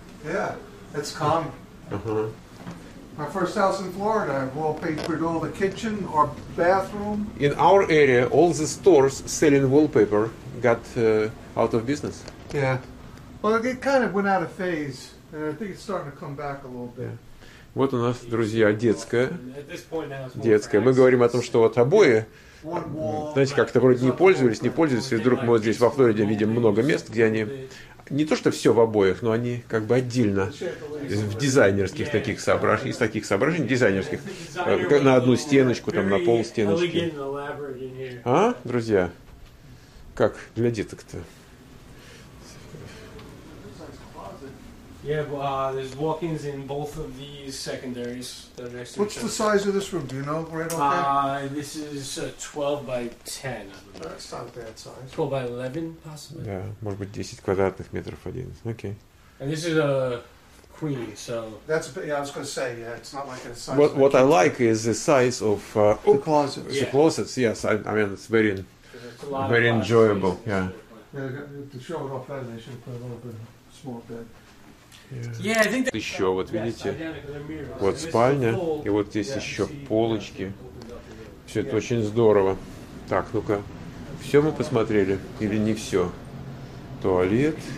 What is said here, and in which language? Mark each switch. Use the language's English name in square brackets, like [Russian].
[English] Yeah, it's common. My first house in Florida, I wallpapered all the kitchen or bathroom. In our area, all the stores selling wallpaper got out of business. Yeah. Well, it kind of went out of phase, and I think it's starting to come back a little bit. Yeah. [Russian] Вот у нас, друзья, детская. Детская. Мы говорим о том, что вот обои, знаете, как-то вроде не пользовались, и вдруг мы вот здесь во Флориде видим много мест, где они не то что все в обоях, но они как бы отдельно в дизайнерских таких соображениях, из таких соображений дизайнерских, на одну стеночку, там, на пол стеночки. А, друзья, как для деток-то? [English] Yeah, but there's walk-ins in both of these secondaries. What's the size of this room? Do you know, right off there? This is 12 by 10. That's not a bad size. 12 by 11, possibly. [Russian] Yeah, может быть 10 квадратных метров один. [English] Okay. And this is a queen, so. I was going to say, yeah, it's not like a size. What I like is the size of the closets. Yeah. The closets, yes. I mean, it's very, very enjoyable. Yeah. Yeah, to show it off there, they should put a little bit small bed. Yeah. Yeah, I think that... [Russian] Еще, вот видите, вот спальня, и вот здесь еще полочки. Все это очень здорово. Так, ну-ка, все мы посмотрели или не все? Туалет.